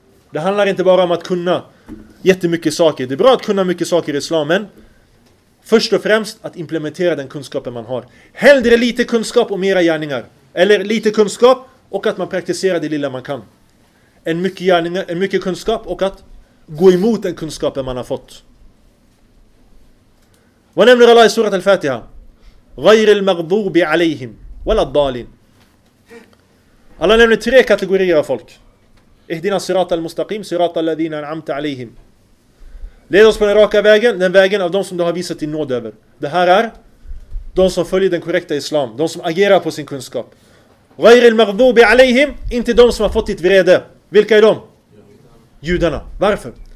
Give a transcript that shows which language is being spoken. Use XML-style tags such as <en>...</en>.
<sv>Det handlar inte bara om att kunna jättemycket saker. Det är bra att kunna mycket saker i islam, men först och främst att implementera den kunskapen man har. Hellre lite kunskap och mera gärningar. Eller lite kunskap och att man praktiserar det lilla man kan. En mycket gärningar, en mycket kunskap och att gå emot den kunskapen man har fått. Vad nämner Allah i surat al-Fatiha?</sv> <ar>غير المغضوب عليهم ولا الضالين.</ar> <sv>Allah nämner tre kategorier av folk. Ihdina sirat al-mustaqim, sirat al-ladhina an'amta alayhim. Led oss på den raka vägen, den vägen av de som du har visat din nåd över. Det här är de som följer den korrekta islam, de som agerar på sin kunskap. غير المغضوب عليهم, inte de som har fått ditt vrede. Vilka är de? Judarna. Varför?</sv>